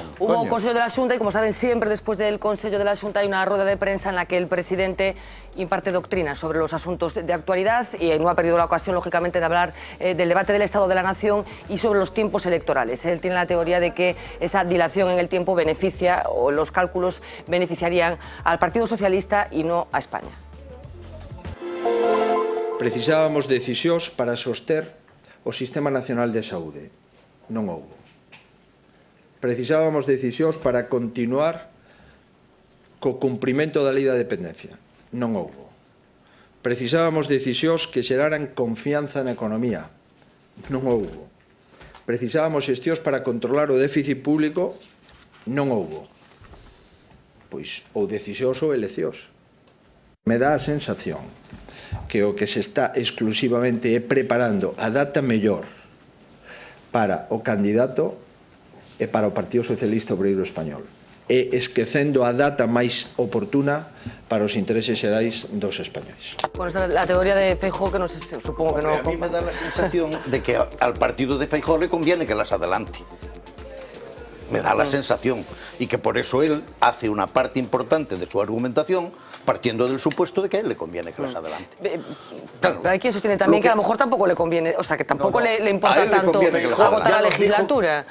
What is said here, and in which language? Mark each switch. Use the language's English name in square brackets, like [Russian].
[Spanish] hoy hubo un consejo de la Xunta y, como saben, siempre después del consejo de la Xunta hay una rueda de prensa en la que el presidente imparte doctrina sobre los asuntos de actualidad y no ha perdido la ocasión, lógicamente, de hablar del debate del Estado de la Nación y sobre los tiempos electorales. Él tiene la teoría de que esa dilación en el tiempo beneficia, o los cálculos beneficiarían al Partido Socialista y no a España. [Galician] Precisábamos decisións para soster o Sistema Nacional de Saúde. Non houbo. Precisábamos decisións para continuar co cumprimento da Lei da Dependencia. Non houbo. Precisábamos decisións que xeraran confianza na economía. Non houbo. Precisábamos xestións para controlar o déficit público. Non houbo. Pois, ou decisións ou eleccións. Me dá a sensación que o que se está exclusivamente é preparando a data mellor para o candidato e para o Partido Socialista Obreiro Español, e esquecendo a data máis oportuna para os intereses xerais dos españoles. Bueno, esa é a teoría de Feijóo que supongo que non... [Spanish] A mí me dá a sensación de que al partido de Feijóo le conviene que las adelante. Me da la sensación, y que por eso él hace una parte importante de su argumentación partiendo del supuesto de que a él le conviene que las adelante. Claro, hay quien sostiene también que a lo mejor tampoco le conviene, o sea, que tampoco le importa tanto agotar la legislatura.